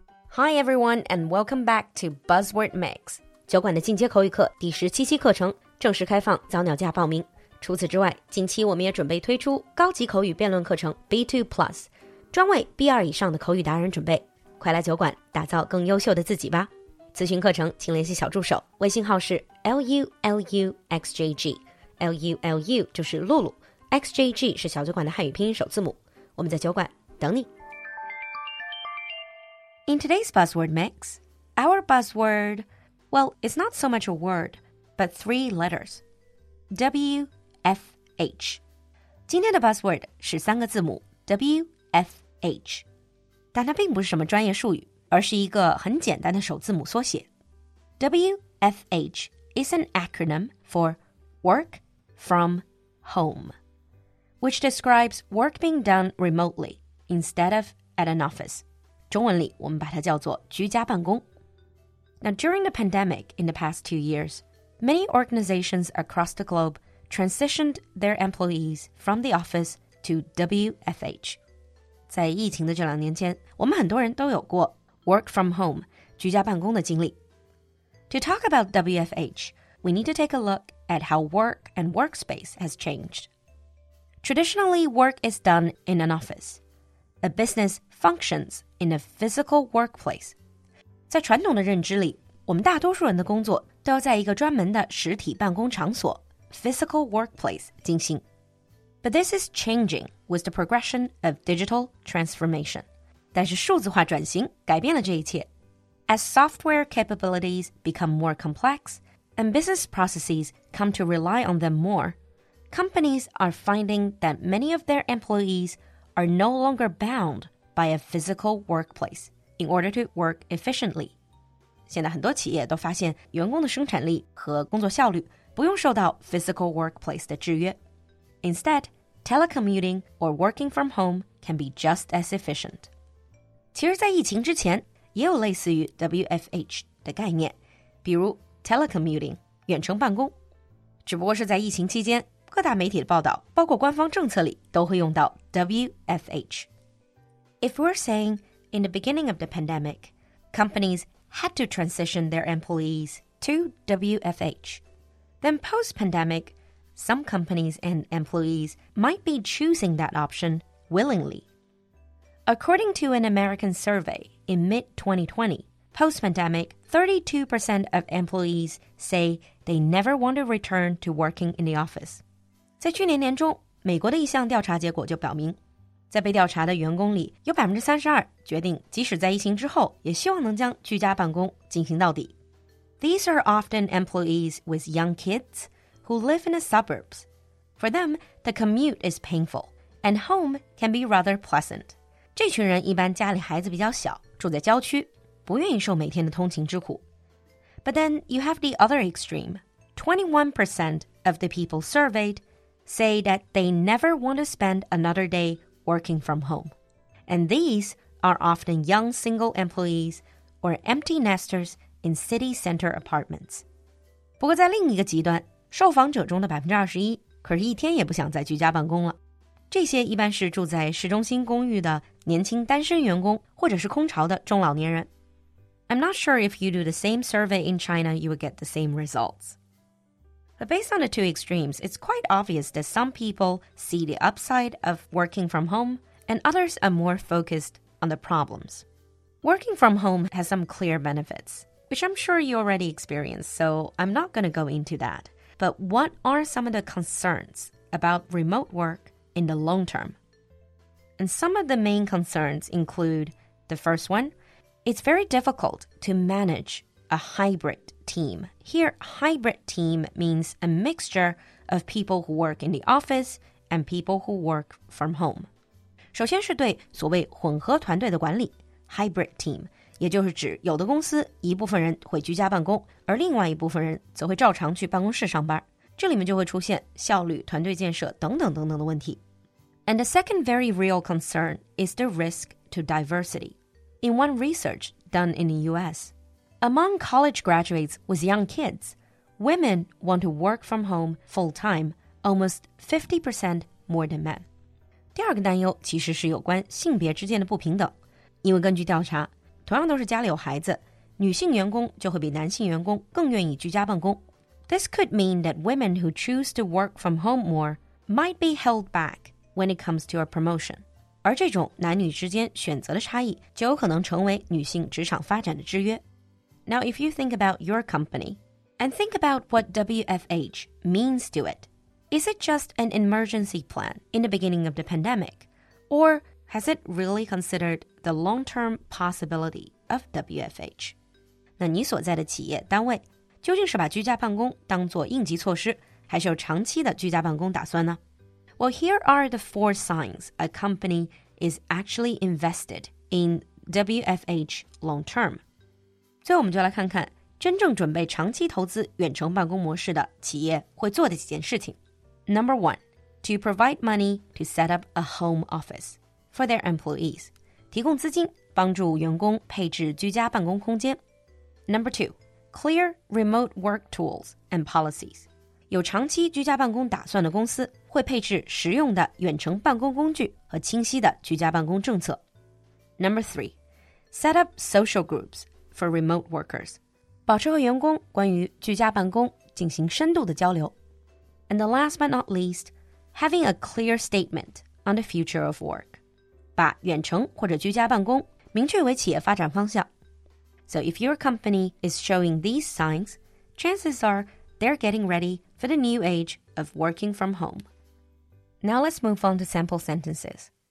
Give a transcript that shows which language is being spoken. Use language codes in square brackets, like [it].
[en] Hi everyone, and welcome back to Buzzword Mix. [zh] 酒馆的进阶口语课第十七期课程正式开放早鸟价报名。除此之外，近期我们也准备推出高级口语辩论课程 B2 Plus， 专为 B2 以上的口语达人准备。快来酒馆打造更优秀的自己吧！咨询课程请联系小助手，微信号是 LULUXJG， LULU 就是露露， XJG 是小酒馆的汉语拼音首字母。我们在酒馆等你。 [en] In today's buzzword mix, our buzzword, well, it's not so much a word, but three letters. WFH. [zh] 今天的 buzzword 是三个字母 WFH. 但它并不是什么专业术语，而是一个很简单的首字母缩写。 [en] WFH is an acronym for Work From Home, which describes work being done remotely instead of at an office. [zh] 中文里我们把它叫做居家办公。 [en] Now, during the pandemic in the past 2 years, many organizations across the globe transitioned their employees from the office to WFH. [zh] 在疫情的这两年间，我们很多人都有过 [en] work from home, [zh] 居家办公的经历。 [en] To talk about WFH, we need to take a look at how work and workspace has changed. Traditionally, work is done in an office. A business functions in a physical workplace. [zh] 在传统的认知里，我们大多数人的工作都要在一个专门的实体办公场所 [en] physical workplace [zh] 进行。 [en] But this is changing with the progression of digital transformation. [zh] 但是数字化转型改变了这一切。 [en] As software capabilities become more complex and business processes come to rely on them more, companies are finding that many of their employeesare no longer bound by a physical workplace in order to work efficiently. [zh] 现在很多企业都发现员工的生产力和工作效率不用受到 physical workplace 的制约。 [en] Instead, telecommuting or working from home can be just as efficient. [zh] 其实在疫情之前也有类似于 WFH 的概念，比如 telecommuting, 远程办公。只不过是在疫情期间各大媒体的报道，包括官方政策里，都会用到 WFH. [en] If we're saying in the beginning of the pandemic, companies had to transition their employees to WFH, then post-pandemic, some companies and employees might be choosing that option willingly. According to an American survey in mid-2020, post-pandemic, 32% of employees say they never want to return to working in the office. [zh] 在去年年中，美国的一项调查结果就表明，在被调查的员工里，有32%决定即使在疫情之后，也希望能将居家办公进行到底。 [en] These are often employees with young kids who live in the suburbs. For them, the commute is painful, and home can be rather pleasant. [zh] 这群人一般家里孩子比较小，住在郊区，不愿意受每天的通勤之苦。 [en] But then you have the other extreme. 21% of the people surveyed. Say that they never want to spend another day working from home. And these are often young single employees or empty nesters in city center apartments. [zh] 不过在另一个极端，受访者中的21%可是一天也不想在居家办公了。这些一般是住在市中心公寓的年轻单身员工或者是空巢的中老年人。 [en] I'm not sure if you do the same survey in China, you would get the same results. But based on the two extremes, it's quite obvious that some people see the upside of working from home and others are more focused on the problems. Working from home has some clear benefits, which I'm sure you already experienced, so I'm not going to go into that. But what are some of the concerns about remote work in the long term? And some of the main concerns include the first one, it's very difficult to manage a hybrid. Team. Here, hybrid team means a mixture of people who work in the office and people who work from home. [zh] 首先是对所谓混合团队的管理 hybrid team, 也就是指有的公司一部分人会居家办公，而另外一部分人则会照常去办公室上班。这里面就会出现效率、团队建设等等等等的问题。 [en] And the second very real concern is the risk to diversity. In one research done in the U.S., Among college graduates with young kids, women want to work from home full-time almost 50% more than men. [zh] 第二个担忧其实是有关性别之间的不平等。因为根据调查，同样都是家里有孩子，女性员工就会比男性员工更愿意居家办公。 [en] This could mean that women who choose to work from home more might be held back when it comes to a promotion. [zh] 而这种男女之间选择的差异就有可能成为女性职场发展的制约。 [en] Now, if you think about your company, and think about what WFH means to it, is it just an emergency plan in the beginning of the pandemic, or has it really considered the long-term possibility of WFH? [zh] 那你所在的企业单位究竟是把居家办公当作应急措施，还是有长期的居家办公打算呢？ [en] Well, here are the four signs a company is actually invested in WFH long-term. [zh] 所以我们就来看看真正准备长期投资远程办公模式的企业会做的几件事情。 [en] Number one, to provide money to set up a home office for their employees. [zh] 提供资金帮助员工配置居家办公空间。 [en] Number two, clear remote work tools and policies. [zh] 有长期居家办公打算的公司会配置实用的远程办公工具和清晰的居家办公政策。 [en] Number three, set up social groups. For remote workers. [zh] 保持和员工关于居家办公进行深度的交流。 [en] And the last but not least, having a clear statement on the future of work. [zh] 把远程或者居家办公明确为企业发展方向。 [en] So if your company is showing these signs, chances are they're getting ready for the new age of working from home. Now let's move on to sample sentences.